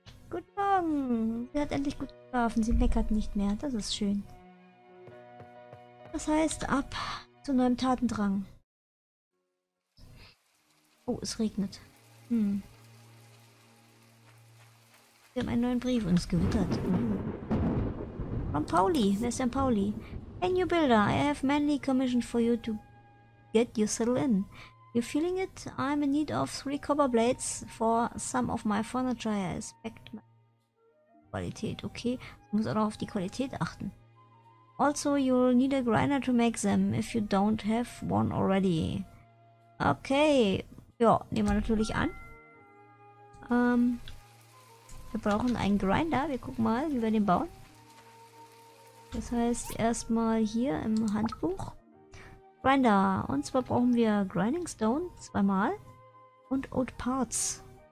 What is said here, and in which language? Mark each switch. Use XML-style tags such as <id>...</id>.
<de>Guten Morgen. Sie hat endlich gut geschlafen. Sie meckert nicht mehr. Das ist schön. Das heißt, ab zu neuem Tatendrang. Oh, es regnet. Hm. Wir haben einen neuen Brief und es gewittert. Von Pauli. Wer ist denn Pauli?</de> <en>Hey, new builder, I have manly commission for you to get you settled in. You feeling it? I'm in need of 3 copper blades for some of my furniture. I expect my</en> <de>Qualität,</de> <en>okay.</en> <de>Ich muss auch noch auf die Qualität achten.</de> <en>Also, you'll need a grinder to make them, if you don't have one already.</en> <de>Okay, ja, nehmen wir natürlich an. Wir brauchen einen Grinder, wir gucken mal, wie wir den bauen. Das heißt, erstmal hier im Handbuch. Grinder. Und zwar brauchen wir Grinding Stone zweimal. Und Old Parts.</de>